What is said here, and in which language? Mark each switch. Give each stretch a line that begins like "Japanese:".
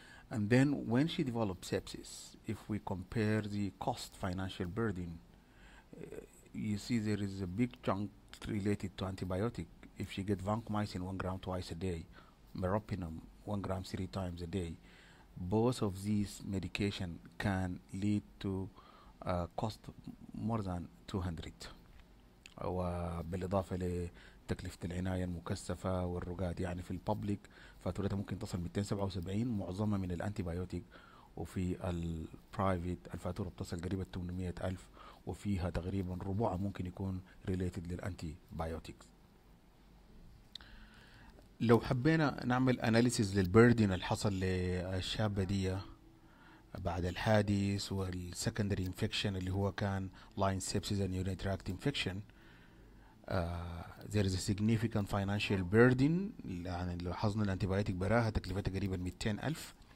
English: And then when she developed sepsis, if we compare the cost financial burden, you see there is a big chunk related to antibiotic. If she get vancomycin 1 gram twice a day, meropenem 1 gram 3 times a day, both of these medication can lead to cost more than 200.
Arabic: وبالإضافة لتكلفة العناية المكثفة والرقاد يعني في البابليك فاتورتها ممكن تصل 277 معظمها من الأنتيبيوتيك، وفي البرايفت الفاتورة بتصل قريبة 800,000 وفيها تقريبا ربعها ممكن يكون ريليتد للأنتيبيوتيك. لو حبينا نعمل أناليسيز للبردن اللي حصل للشابة دي، بعد الحادث
English: والسكندري انفكشن
Arabic: اللي هو كان
English: Line sepsis and urine tract infection. There is a significant financial burden.
Arabic: يعني لاحظنا الانتيبيوتيك براها تكلفتها قريبا 200,000.